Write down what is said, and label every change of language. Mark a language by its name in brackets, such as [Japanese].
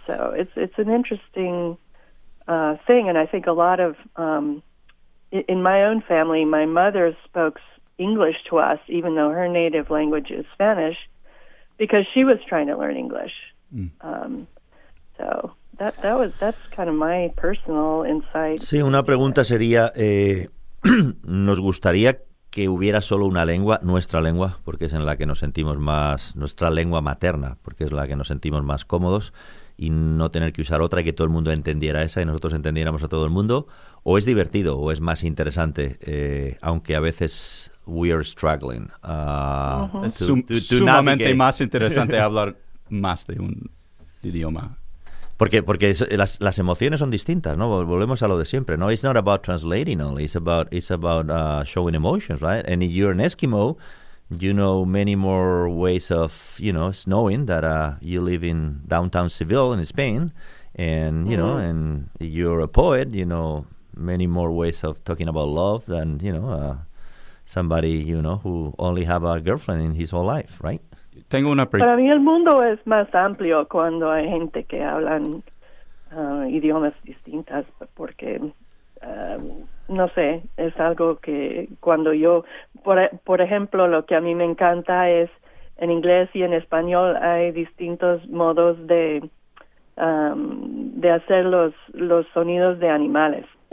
[English] So it's an interesting thing, and I think a lot of, in my own family, my mother spoke English to us, even though her native language is Spanish, because she was trying to learn English. Mm. So... That's kind of my personal insight. [Spanish] Sí, una pregunta sería, ¿nos gustaría que hubiera solo una lengua, nuestra lengua, porque es en la que nos sentimos más, nuestra lengua materna, porque es la que nos sentimos más cómodos, y no tener que usar otra y que todo el mundo entendiera esa y nosotros entendiéramos a todo el mundo? ¿O es divertido o es más interesante, aunque a veces... [English] We are struggling. [Spanish] Sumamente más interesante hablar más de un idioma. Porque las emociones son distintas, ¿no? Volvemos a lo de siempre, ¿no? [English] It's not about translating only. It's about showing emotions, right? And if you're an Eskimo, you know many more ways of, you know, knowing that you live in downtown Seville in Spain, and you know, and you're a poet, you know many more ways of talking about love than, you know, somebody, you know, who only have a girlfriend in his whole life, right? [Spanish] Tengo una pregunta. Para mí el mundo es más amplio cuando hay gente que hablan idiomas distintas, porque no sé, es algo que cuando yo, por ejemplo, lo que a mí me encanta es en inglés y en español hay distintos modos de hacer los sonidos de animales.